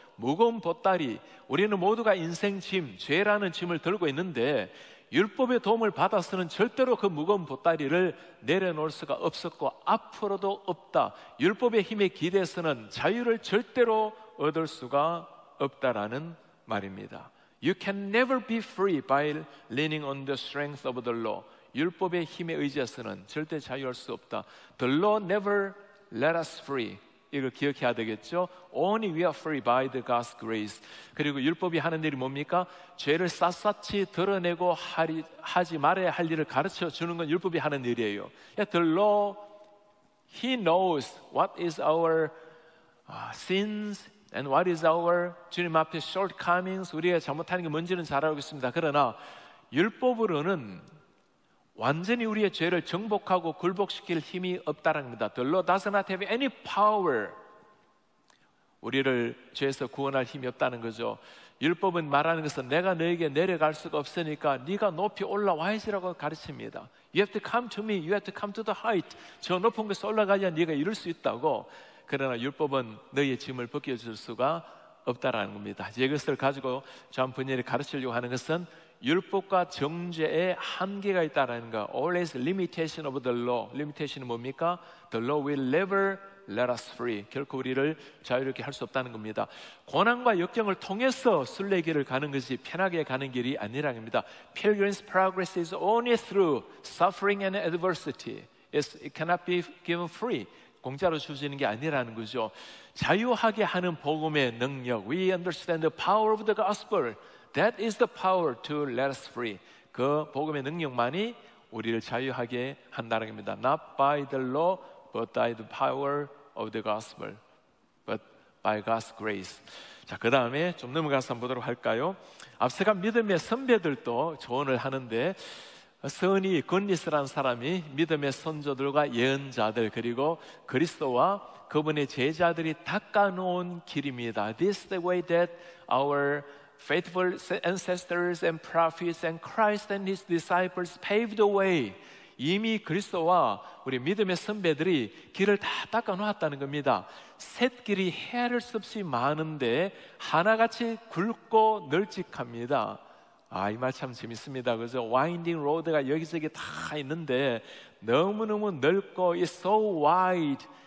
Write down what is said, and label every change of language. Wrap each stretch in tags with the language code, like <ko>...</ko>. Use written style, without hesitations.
<ko>무거운 보따리, 우리는 모두가 인생 짐, 죄라는 짐을 들고 있는데 율법의 도움을 받아서는 절대로 그 무거운 보따리를 내려놓을 수가 없었고 앞으로도 없다. 율법의 힘에 기대서는 자유를 절대로 얻을 수가 없다라는 말입니다.</ko> <en>You can never be free by leaning on the strength of the law.</en> <ko>율법의 힘에 의지해서는 절대 자유할 수 없다.</ko> <en>The law never let us free.</en> <ko>이거 기억해야 되겠죠?</ko> <en>Only we are free by the God's grace.</en> <ko>그리고 율법이 하는 일이 뭡니까? 죄를 샅샅이 드러내고 하지 말아야 할 일을 가르쳐 주는 건 율법이 하는 일이에요.</ko> <en>Yet the law, he knows what is our sins and what is our</en> <ko>주님 앞에</ko> <en>shortcomings.</en> <ko>우리가 잘못하는 게 뭔지는 잘 알고 있습니다. 그러나 율법으로는 완전히 우리의 죄를 정복하고 굴복시킬 힘이 없다는 겁니다.</ko> <en>The law does not have any power.</en> <ko>우리를 죄에서 구원할 힘이 없다는 거죠. 율법은 말하는 것은 내가 너에게 내려갈 수가 없으니까 네가 높이 올라와야지라고 가르칩니다.</ko> <en>You have to come to me. You have to come to the height.</en> <ko>저 높은 곳에 올라가야 네가 이룰 수 있다고. 그러나 율법은 너의 짐을 벗겨줄 수가 없다라는 겁니다. 이것을 가지고 전 분열이 가르치려고 하는 것은 율법과 정죄에 한계가 있다라는 것.</ko> <en>Always limitation of the law. Limitation</en> <ko>은 뭡니까?</ko> <en>The law will never let us free.</en> <ko>결코 우리를 자유롭게 할 수 없다는 겁니다. 고난과 역경을 통해서 순례길을 가는 것이 편하게 가는 길이 아니라는 겁니다.</ko> <en>Pilgrim's progress is only through suffering and adversity. It cannot be given free.</en> <ko>공짜로 주시는 게 아니라는 거죠. 자유하게 하는 복음의 능력.</ko> <en>We understand the power of the gospel. That is the power to let us free.</en> <ko>그 복음의 능력만이 우리를 자유하게 한다는 겁니다.</ko> <en>Not by the law, but by the power of the gospel, but by God's grace.</en> <ko>자, 그 다음에 좀 넘어가서 한번 보도록 할까요? 앞서간 믿음의 선배들도 조언을 하는데 선이 건리스라는 사람이 믿음의 선조들과 예언자들 그리고 그리스도와 그분의 제자들이 닦아놓은 길입니다.</ko> <en>This is the way that our faithful ancestors and prophets and Christ and his disciples paved the way.</en> <ko>이미 그리스도와 우리 믿음의 선배들이 길을 다 닦아놓았다는 겁니다. 샛길이 헤아릴 수 없이 많은데 하나같이 굵고 널찍합니다. 아, 이 말 참 재밌습니다. 그죠?</ko> <en>Winding road</en> <ko>가 여기저기 다 있는데 너무너무 넓고</ko> <en>it's so wide.</en>